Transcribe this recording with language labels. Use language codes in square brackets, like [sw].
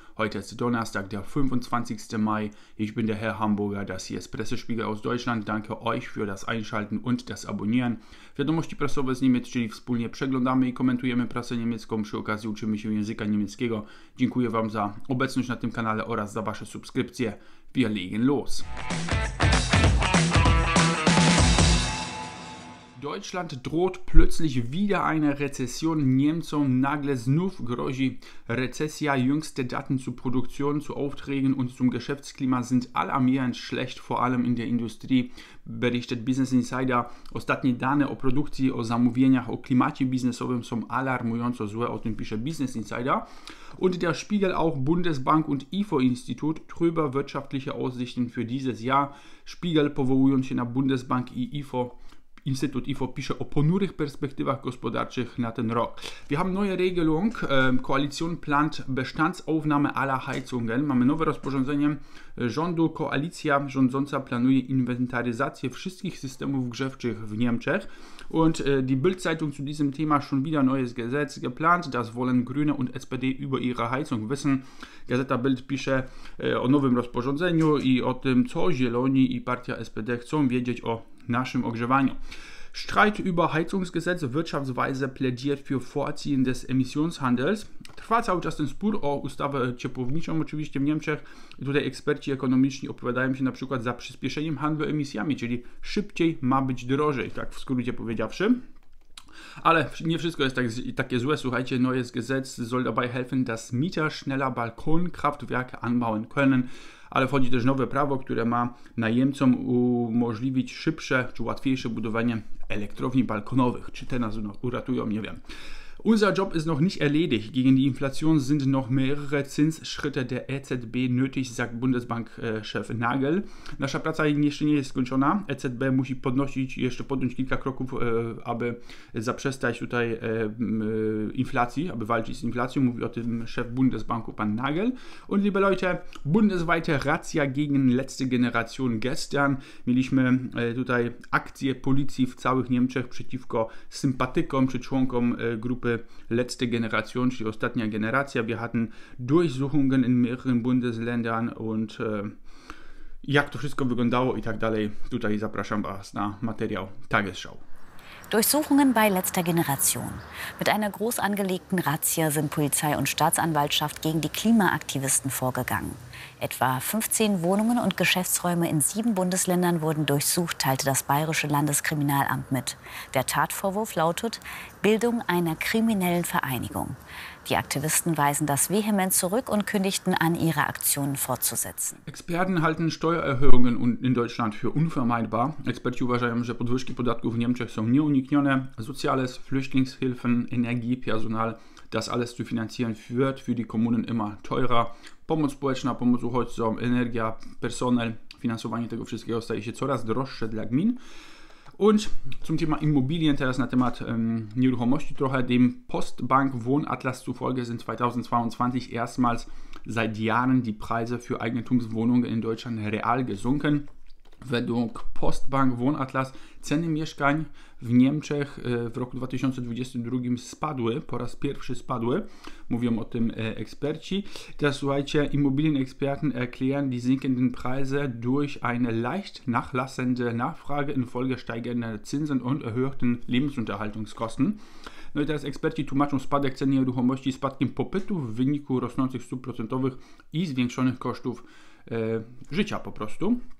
[de] Heute ist Donnerstag, der 25. Mai. Ich bin der Herr Hamburger, das hier ist Pressespiegel aus Deutschland. Danke euch für das Einschalten und das Abonnieren. [pl] Wiadomości prasowe z Niemiec, czyli wspólnie przeglądamy i komentujemy prasę niemiecką. Przy okazji uczymy się języka niemieckiego. Dziękuję wam za obecność na tym kanale oraz za wasze subskrypcje. [de] Wir legen los! Deutschland droht plötzlich wieder eine Rezession. [pl] Niemcom nagle znów grozi Rezesja. [de] Jüngste Daten zu Produktion, zu Aufträgen und zum Geschäftsklima sind alarmierend schlecht, vor allem in der Industrie, berichtet Business Insider. [pl] Ostatnie dane o produkcji, o zamówieniach, o klimacie biznesowym są alarmująco złe, o tym pisze Business Insider. [de] Und der Spiegel auch, Bundesbank und IFO-Institut, trübe wirtschaftliche Aussichten für dieses Jahr. [pl] Spiegel powołując się na Bundesbank i IFO. Instytut IFO pisze o ponurych perspektywach gospodarczych na ten rok. [de] Wir haben neue Regelung. Koalition plant Bestandsaufnahme aller Heizungen. [pl] Mamy nowe rozporządzenie rządu. Koalicja rządząca planuje inwentaryzację wszystkich systemów grzewczych w Niemczech. [de] Und die Bild-Zeitung zu diesem Thema, schon wieder neues Gesetz geplant. Das wollen Grüne und SPD über ihre Heizung wissen. [pl] Gazeta Bild pisze o nowym rozporządzeniu i o tym, co Zieloni i partia SPD chcą wiedzieć o naszym ogrzewaniu. [de] Streit über Heizungsgesetz, Wirtschaftsweise plädiert für Vorziehen des Emissionshandels. [pl] Trwa cały czas ten spór o ustawę ciepłowniczą oczywiście w Niemczech. I tutaj eksperci ekonomiczni opowiadają się na przykład za przyspieszeniem handlu emisjami, czyli szybciej ma być drożej, tak w skrócie powiedziawszy. Ale nie wszystko jest takie złe. Słuchajcie, [de] neues Gesetz soll dabei helfen, dass Mieter schneller Balkonkraftwerke anbauen können. [pl] Ale wchodzi też nowe prawo, które ma najemcom umożliwić szybsze czy łatwiejsze budowanie elektrowni balkonowych. Czy te nas uratują? Nie wiem. [de] Unser Job ist noch nicht erledigt. Gegen die Inflation sind noch mehrere Zinsschritte der EZB nötig, sagt Bundesbankchef Nagel. [pl] Nasza praca jeszcze nie jest skończona. EZB musi podnosić, jeszcze podjąć kilka kroków, aby zaprzestać tutaj inflacji, aby walczyć z inflacją, mówi o tym szef Bundesbanku, pan Nagel. [de] Und liebe Leute, bundesweite Razzia gegen letzte Generation gestern. [pl] Mieliśmy tutaj akcje policji w całych Niemczech przeciwko sympatykom czy członkom grupy letzte Generation, czyli ostatnia generacja. [de] Wir hatten Durchsuchungen in mehreren Bundesländern und [pl] jak to wszystko wyglądało i tak dalej. Tutaj zapraszam was na materiał Tagesschau. [de] Durchsuchungen bei letzter Generation. Mit einer groß angelegten Razzia sind Polizei und Staatsanwaltschaft gegen die Klimaaktivisten vorgegangen. Etwa 15 Wohnungen und Geschäftsräume in 7 Bundesländern wurden durchsucht, teilte das Bayerische Landeskriminalamt mit. Der Tatvorwurf lautet Bildung einer kriminellen Vereinigung. Die Aktivisten weisen das vehement zurück und kündigten an, ihre Aktionen fortzusetzen. Experten halten Steuererhöhungen in Deutschland für unvermeidbar. [pl] Eksperci uważają, że podwyżki podatków w Niemczech są nieuniknione. [de] Soziales, Flüchtlingshilfen, Energie, Personal, das alles zu finanzieren wird für die Kommunen immer teurer. [pl] Pomoc społeczna, pomoc uchodźcom, energia, personel, finansowanie tego wszystkiego staje się coraz droższe dla gmin. [de] Und zum Thema Immobilien, [pl] teraz na temat Nieruchomości trochę. [de] Dem Postbank Wohnatlas zufolge sind 2022 erstmals seit Jahren die Preise für Eigentumswohnungen in Deutschland real gesunken. [pl] Według Postbank Wohnatlas ceny mieszkań w Niemczech w roku 2022 spadły, po raz pierwszy spadły, mówią o tym eksperci. Teraz słuchajcie, [de] Immobilienexperten erklären die sinkenden Preise durch eine leicht nachlassende Nachfrage infolge steigender Zinsen und erhöhten Lebensunterhaltungskosten. [pl] No i teraz eksperci tłumaczą spadek cen nieruchomości spadkiem popytu w wyniku rosnących stóp procentowych i zwiększonych kosztów życia po prostu.